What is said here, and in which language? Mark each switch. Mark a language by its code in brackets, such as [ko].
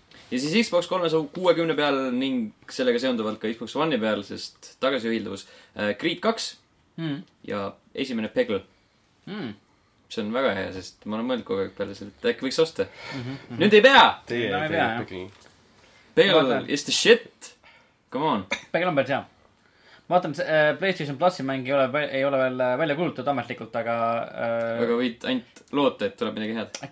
[et] Ja siis Xbox 360 peal ning sellega seonduvalt ka Xbox One'i peal , sest tagasiühilduvus . Creed 2 ja esimene Peggle . See on väga hea , sest ma olen mõelnud kogu aeg peale selle , et äkki võiks osta . Nüüd ei pea . Teie ei pea . [en] Peggle is the shit , come on . [et] Peggle on päris hea . ma vaatan , see PlayStation plussi mäng ei ole veel välja kuulutatud ametlikult , aga aga võid ainult loota , et tuleb midagi head .